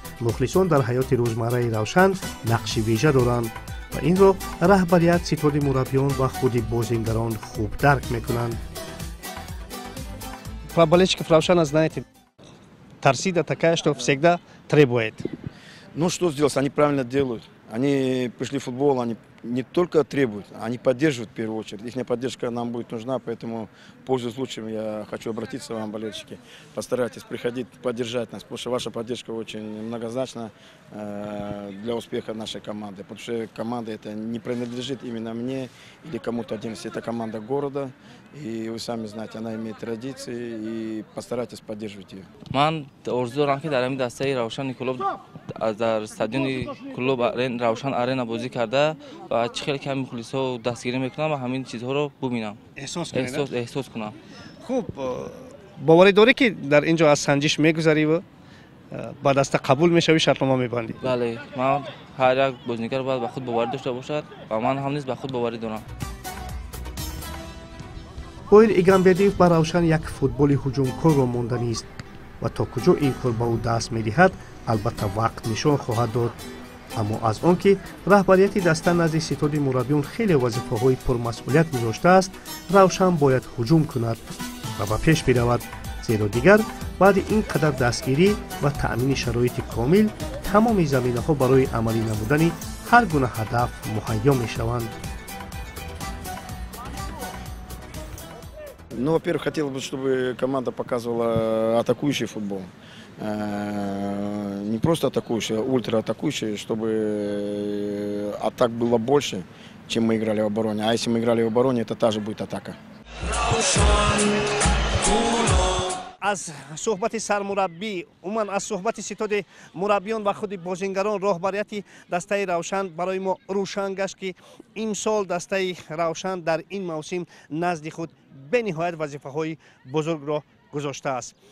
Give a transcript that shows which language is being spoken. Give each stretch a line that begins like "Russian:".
Tajik: Мухлисон дар ҳаёти рӯзмарраи Равшан нақши вежа доранд ва инро раҳбарият, ситоди мураббиён ва худи бозингарон хуб дарк мекунанд.
Russian: Ва болельщиков Равшана знаете, торсида такая, что всегда требует. Ну что сделать, они правильно делают. Они пришли в футбол, они не только требуют, они поддерживают в первую очередь. Их поддержка нам будет нужна, поэтому, пользуясь случаем, я хочу обратиться к вам, болельщики. Постарайтесь приходить, поддержать нас, потому что ваша поддержка очень многозначна для успеха нашей команды. Потому что команда эта не принадлежит именно мне или кому-то отдельности. Это команда города, и вы сами знаете, она имеет традиции, и постарайтесь поддерживать ее.
Tajik: Ман Орзу Ранхи Дарами Дастей Раушан Николов дар стадиони клуб Равшан Арена бозӣ карда ва чӣ хеле ки ҳам мухлисҳо дастгирӣ мекунам ва ҳамин чизҳоро бубинам. Эҳсос кунам. Хуб, боварӣ дорӣ ки дар инҷо аз санҷиш мегузарӣ ва ба даста қабул мешавӣ шартнома мебандӣ? Бале, ман ҳар як бозингар бояд ба худ боварӣ дошта бошад ва ман ҳам низ ба худ боварӣ дорам. Боир Игамбердиев ба Равшан як футболи ҳуҷумкорро монданист ва то куҷо ин кор ба ӯ даст медиҳад, албатта вақт нишон хоҳад дод. Аммо аз он ки раҳбарияти даста назди ситоди мураббиён хеле вазифаҳои пурмасъулият гузоштааст, Равшан бояд ҳуҷум кунад ва ба пеш биравад, зеро дигар баъди ин қадар дастгирӣ ва таъмини шароити комил тамоми заминаҳо барои амалӣ намудани ҳар гуна ҳадаф муҳайё мешаванд.
Russian: Ну, во-первых, хотелось бы, чтобы команда показывала атакующий футбол. Не просто атакующий, а ультра-атакующий, чтобы атак было больше, чем мы играли в обороне. А если мы играли в обороне, это та же будет атака.
Tajik: Аз сӯҳбати сармураббӣ, умуман аз сӯҳбати ситоди мураббиён ва худи бозингарон роҳбарияти дастаи Равшан барои мо рӯшан гашт, ки имсол дастаи Равшан дар ин мавсим назди худ бениҳоят вазифаҳои бузургро гузоштааст.